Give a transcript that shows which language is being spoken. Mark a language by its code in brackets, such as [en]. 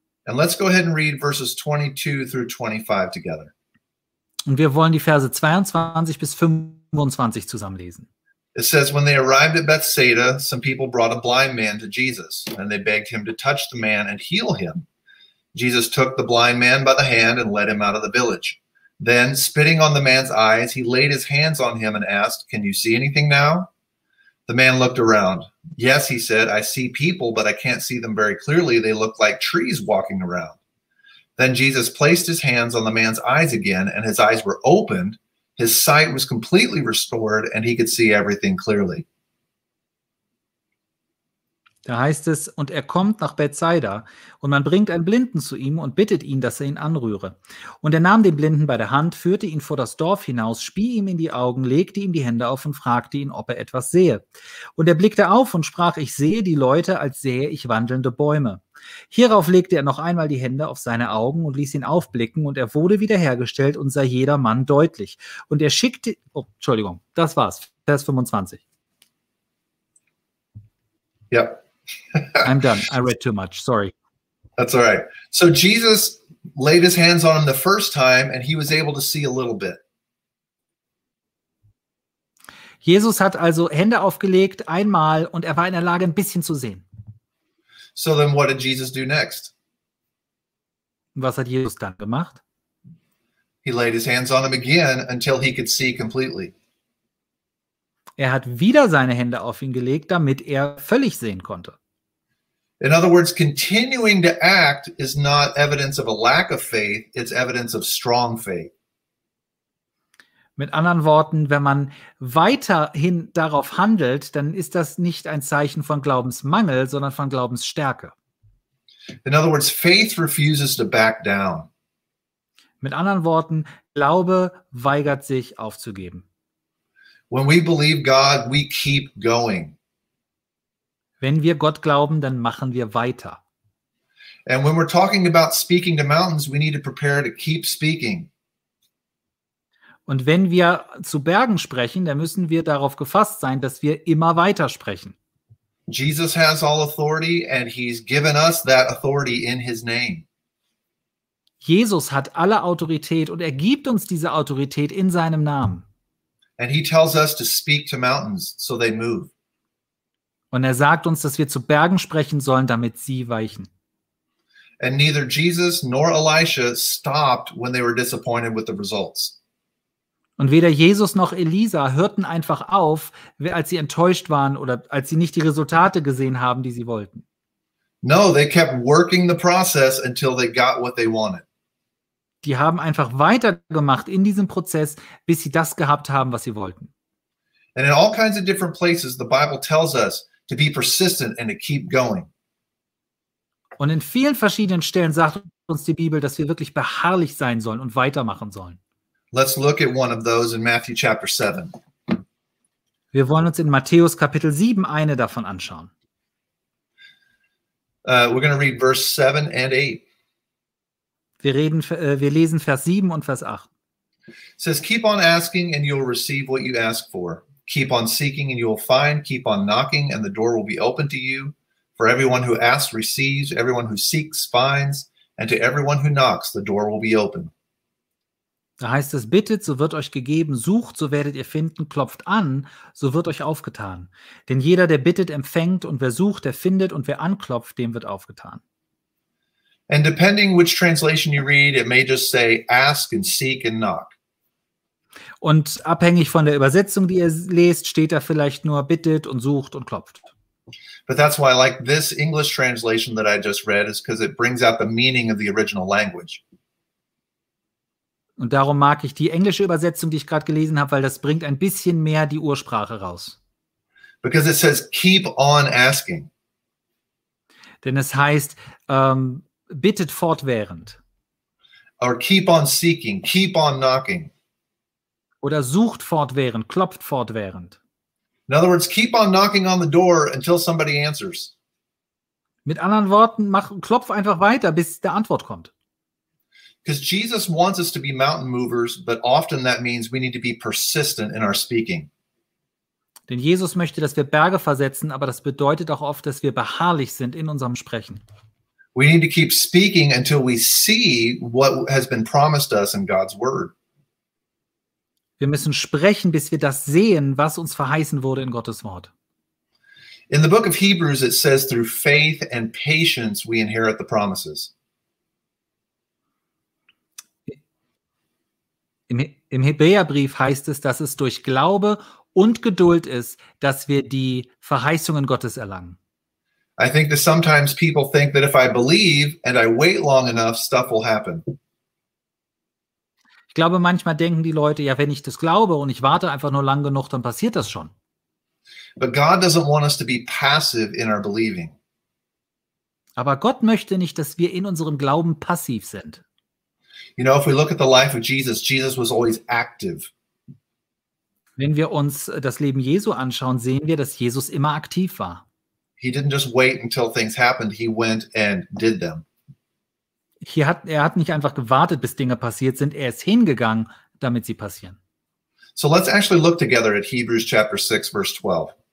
[en] And let's go ahead and read verses 22 through 25 together. [de] Und wir wollen die Verse 22 bis 25 zusammenlesen. [en] It says, when they arrived at Bethsaida, some people brought a blind man to Jesus, and they begged him to touch the man and heal him. Jesus took the blind man by the hand and led him out of the village. Then, spitting on the man's eyes, he laid his hands on him and asked, can you see anything now? The man looked around. Yes, he said, I see people, but I can't see them very clearly. They look like trees walking around. Then Jesus placed his hands on the man's eyes again, and his eyes were opened. His sight was completely restored, and he could see everything clearly. [de] Da heißt es, und er kommt nach Bethsaida, und man bringt einen Blinden zu ihm und bittet ihn, dass er ihn anrühre. Und er nahm den Blinden bei der Hand, führte ihn vor das Dorf hinaus, spie ihm in die Augen, legte ihm die Hände auf und fragte ihn, ob er etwas sehe. Und er blickte auf und sprach, ich sehe die Leute, als sähe ich wandelnde Bäume. Hierauf legte er noch einmal die Hände auf seine Augen und ließ ihn aufblicken, und er wurde wiederhergestellt und sah jedermann deutlich. Und er schickte, das war's, Vers 25. Ja. [en] I'm done. I read too much. Sorry. That's all right. So Jesus laid his hands on him the first time and he was able to see a little bit. [de] Jesus hat also Hände aufgelegt einmal und er war in der Lage, ein bisschen zu sehen. [en] So then what did Jesus do next? [de] Was hat Jesus dann gemacht? [en] He laid his hands on him again until he could see completely. [de] Er hat wieder seine Hände auf ihn gelegt, damit er völlig sehen konnte. [en] In other words, continuing to act is not evidence of a lack of faith, it's evidence of strong faith. [de] Mit anderen Worten, wenn man weiterhin darauf handelt, dann ist das nicht ein Zeichen von Glaubensmangel, sondern von Glaubensstärke. [en] In other words, faith refuses to back down. [de] Mit anderen Worten, Glaube weigert sich aufzugeben. [en] When we believe God, we keep going. [de] Wenn wir Gott glauben, dann machen wir weiter. [en] And when we're talking about speaking to mountains, we need to prepare to keep speaking. [de] Und wenn wir zu Bergen sprechen, dann müssen wir darauf gefasst sein, dass wir immer weiter sprechen. [en] Jesus has all authority and he's given us that authority in his name. [de] Jesus hat alle Autorität und er gibt uns diese Autorität in seinem Namen. [en] And he tells us to speak to mountains so they move. [de] Und er sagt uns, dass wir zu Bergen sprechen sollen, damit sie weichen. [en] And neither Jesus nor Elisha stopped when they were disappointed with the results. [de] Und weder Jesus noch Elisa hörten einfach auf, als sie enttäuscht waren oder als sie nicht die Resultate gesehen haben, die sie wollten. [en] No, they kept working the process until they got what they wanted. [de] Die haben einfach weitergemacht in diesem Prozess, bis sie das gehabt haben, was sie wollten. [en] And in all kinds of different places, the Bible tells us to be persistent and to keep going. [de] Und in vielen verschiedenen Stellen sagt uns die Bibel, dass wir wirklich beharrlich sein sollen und weitermachen sollen. [en] Let's look at one of those in Matthew chapter 7. [de] Wir wollen uns in Matthäus Kapitel 7 eine davon anschauen. [en] We're going to read verse 7 and 8. [de] Wir lesen Vers 7 und Vers 8. [en] It says, keep on asking and you'll receive what you ask for. Keep on seeking and you'll find. Keep on knocking and the door will be opened to you. For everyone who asks receives, everyone who seeks finds, and to everyone who knocks the door will be open. [de] Da heißt es, bittet, so wird euch gegeben, sucht, so werdet ihr finden, klopft an, so wird euch aufgetan. Denn jeder, der bittet, empfängt, und wer sucht, der findet, und wer anklopft, dem wird aufgetan. [en] And depending which translation you read, it may just say, ask and seek and knock. [de] Und abhängig von der Übersetzung, die ihr lest, steht da vielleicht nur, bittet und sucht und klopft. [en] But that's why I like this English translation that I just read, is because it brings out the meaning of the original language. [de] Und darum mag ich die englische Übersetzung, die ich gerade gelesen habe, weil das bringt ein bisschen mehr die Ursprache raus. [en] Because it says, keep on asking. [de] Denn es heißt, bittet fortwährend. [en] Or keep on seeking, keep on knocking. [de] Oder sucht fortwährend, klopft fortwährend. [en] In other words, keep on knocking on the door until somebody answers. [de] Mit anderen Worten, klopf einfach weiter, bis der Antwort kommt. [en] Because Jesus wants us to be mountain movers, but often that means we need to be persistent in our speaking. [de] Denn Jesus möchte, dass wir Berge versetzen, aber das bedeutet auch oft, dass wir beharrlich sind in unserem Sprechen. [en] We need to keep speaking until we see what has been promised us in God's word. [de] Wir müssen sprechen, bis wir das sehen, was uns verheißen wurde in Gottes Wort. [en] In the book of Hebrews it says through faith and patience we inherit the promises. [de] Im Hebräerbrief heißt es, dass es durch Glaube und Geduld ist, dass wir die Verheißungen Gottes erlangen. [en] I think that sometimes people think that if I believe and I wait long enough, stuff will happen. [de] Ich glaube, manchmal denken die Leute, ja, wenn ich das glaube und ich warte einfach nur lang genug, dann passiert das schon. [en] But God doesn't want us to be passive in our believing. [de] Aber Gott möchte nicht, dass wir in unserem Glauben passiv sind. [en] You know, if we look at the life of Jesus, Jesus was always active. [de] Wenn wir uns das Leben Jesu anschauen, sehen wir, dass Jesus immer aktiv war. [en] He didn't just wait until things happened, he went and did them. [de] Er hat nicht einfach gewartet, bis Dinge passiert sind, er ist hingegangen, damit sie passieren. [en] So let's actually look together at Hebrews chapter 6 verse 12.